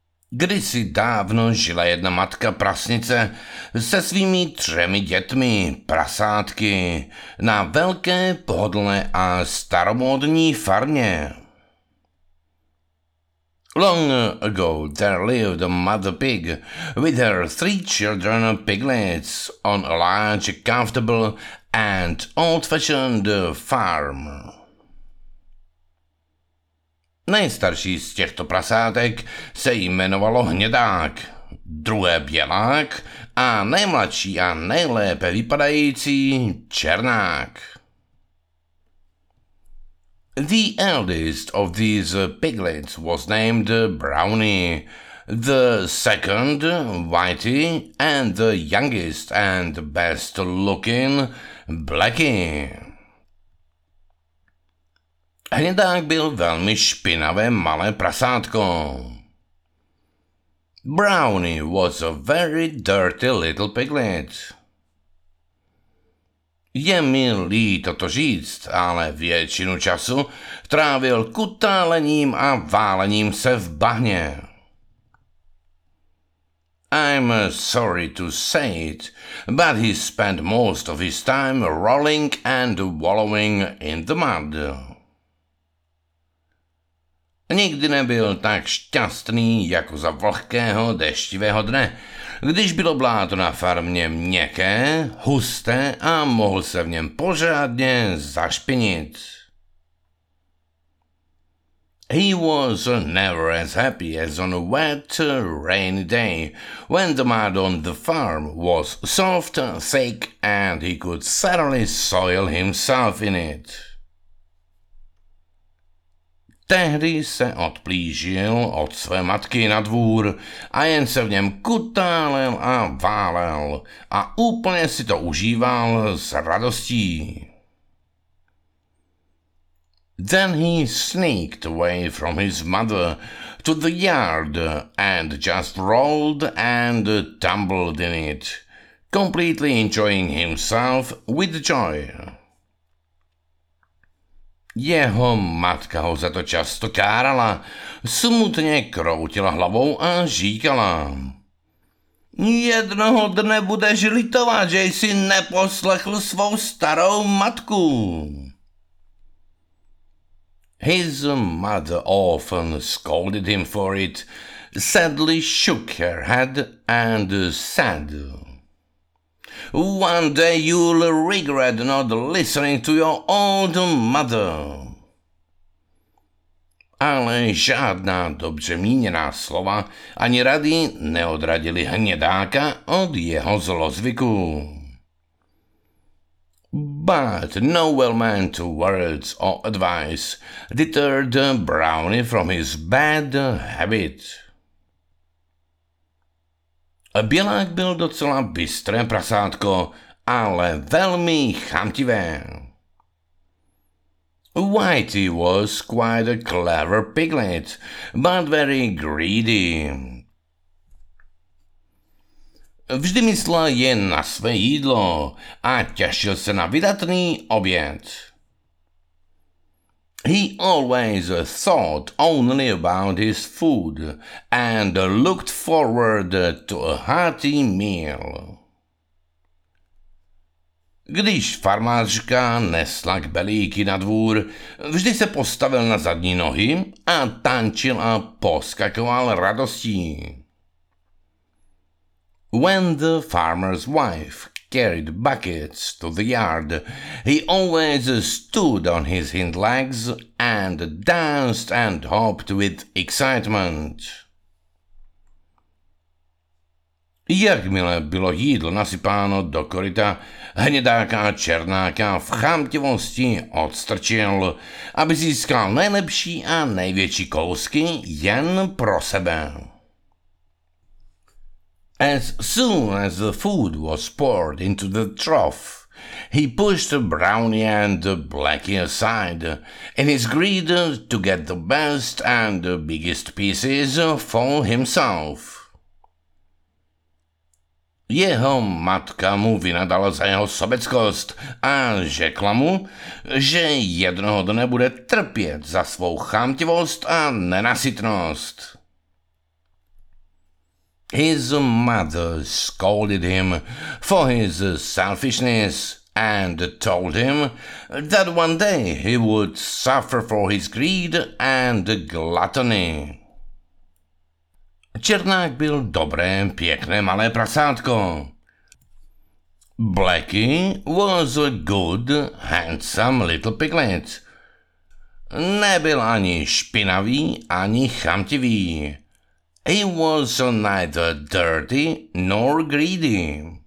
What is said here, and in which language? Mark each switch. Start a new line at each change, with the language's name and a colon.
Czech: Kdysi dávno žila jedna matka prasnice se svými třemi dětmi, prasátky, na velké, pohodlné a staromódní farmě.
English: Long ago there lived a mother pig with her three children piglets on a large, comfortable and old-fashioned farm.
Czech: Nejstarší z těchto prasátek se jmenovalo Hnědák, druhé Bělák a nejmladší a nejlépe vypadající Černák.
English: The eldest of these piglets was named Brownie, the second Whitey, and the youngest and best looking Blackie.
Czech: Hnědák byl velmi špinavé malé prasátko.
English: Brownie was a very dirty little piglet.
Czech: Je mi líto to říct, ale většinu času trávil kutálením a válením se v bahně.
English: I'm sorry to say it, but he spent most of his time rolling and wallowing in the mud.
Czech: Nikdy nebyl tak šťastný jako za vlhkého deštivého dne, když bylo bláto na farmě měkké, husté a mohl se v něm pořádně zašpinit.
English: He was never as happy as on a wet, rainy day, when the mud on the farm was soft, thick and he could thoroughly soil himself in it.
Czech: Tehdy se odplížil od své matky na dvůr a jen se v něm kutálel a válel a úplně si to užíval s radostí.
English: Then he sneaked away from his mother to the yard and just rolled and tumbled in it, completely enjoying himself with joy.
Czech: Jeho matka ho za to často kárala, smutně kroutila hlavou a říkala: jednoho dne budeš litovat, že jsi neposlechl svou starou matku.
English: His mother often scolded him for it, sadly shook her head and said: one day you'll regret not listening to your old mother.
Czech: Ale žádná dobře míněná slova ani rady neodradili Hnědáka od jeho zlozvyku.
English: But no well-meant words or advice deterred Brownie from his bad habit.
Czech: Bělák byl docela bystré prasátko, ale velmi chamtivé.
English: Whitey was quite a clever piglet, but very greedy.
Czech: Vždy myslel jen na své jídlo a těšil se na vydatný oběd.
English: He always thought only about his food and looked forward to a hearty meal.
Czech: Když farmářka nesla kbelíky na dvůr, vždy se postavil na zadní nohy a tančil a poskakoval radostí.
English: When the farmer's wife carried buckets to the yard, he always stood on his hind legs and danced and hopped with excitement.
Czech: Jakmile bylo jídlo nasypáno do koryta, Hnědáka a Černáka v chamtivosti odstrčil, aby získal nejlepší a největší kousky jen pro sebe.
English: As soon as the food was poured into the trough, he pushed Brownie and Blackie aside in his greed to get the best and biggest pieces for himself.
Czech: Jeho matka mu vynadala za jeho sobeckost a řekla mu, že jednoho dne bude trpět za svou chamtivost a nenasytnost.
English: His mother scolded him for his selfishness and told him that one day he would suffer for his greed and gluttony.
Czech: Černák byl dobré, pěkné, malé prasátko.
English: Blacky was a good, handsome little piglet.
Czech: Nebyl ani špinavý, ani chamtivý.
English: He was neither dirty nor greedy.